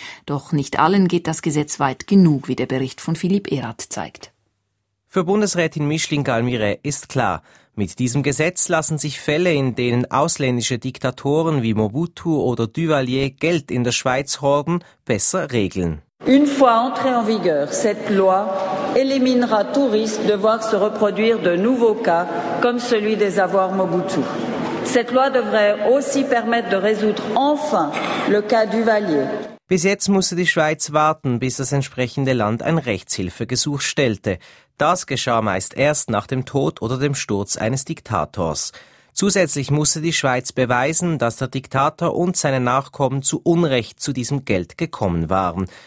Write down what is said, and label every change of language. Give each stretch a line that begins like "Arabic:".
German: Doch nicht allen geht das Gesetz weit genug, wie der Bericht von Philipp Erath zeigt. Für Bundesrätin Micheline Galmiret ist klar, mit diesem Gesetz lassen sich Fälle, in denen ausländische Diktatoren wie Mobutu oder Duvalier Geld in der Schweiz horben, besser regeln.
French: Une fois entrée en vigueur, cette loi éliminera tout risque de voir se reproduire de nouveaux cas comme celui des avoirs Mobutu. Cette loi devrait aussi permettre de résoudre enfin le cas Duvalier.
German: Bis jetzt musste die Schweiz warten, bis das entsprechende Land ein Rechtshilfegesuch stellte. Das geschah meist erst nach dem Tod oder dem Sturz eines Diktators. Zusätzlich musste die Schweiz beweisen, dass der Diktator und seine Nachkommen zu Unrecht zu diesem Geld gekommen waren.